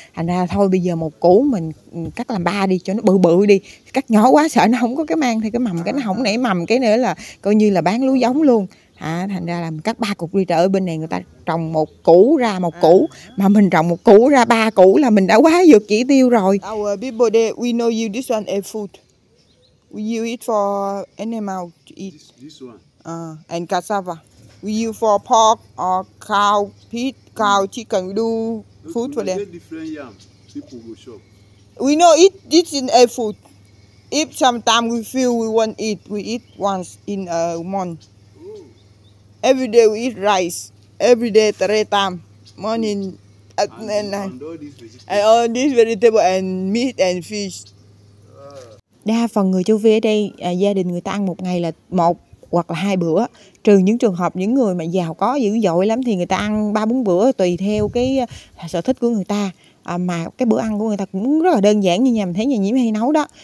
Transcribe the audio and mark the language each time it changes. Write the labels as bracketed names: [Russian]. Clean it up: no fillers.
[Vietnamese] Thành ra thôi bây giờ một củ mình cắt làm ba đi cho nó bự bự đi. Cắt nhỏ quá sợ nó không có cái mang thì cái mầm cái nó không nảy mầm. Cái nữa là coi như là bán lúa giống luôn. Thành ra là cắt ba cục đi, trời ơi bên này người ta trồng một củ ra một củ. Mà mình trồng một củ ra ba củ là mình đã quá vượt chỉ tiêu rồi. [English] Our people there, we know you this one a food. We use it for animal to eat. This one. And cassava. We use for pork or cow, pig, cow, chicken. We do food for them. Different yam. People who shop. We know it. This is a food. If sometimes we feel we want eat, we eat once in a month. Oh. Every day we eat rice. Every day three times. Morning, afternoon, and night. And all these vegetables and meat and fish. [Vietnamese] Đa phần người Châu Phi ở đây, gia đình người ta ăn một ngày là một hoặc là hai bữa, trừ những trường hợp những người mà giàu có dữ dội lắm thì người ta ăn ba bốn bữa tùy theo cái sở thích của người ta. Mà cái bữa ăn của người ta cũng rất là đơn giản như nhà mình thấy nhà nhiễm hay nấu đó.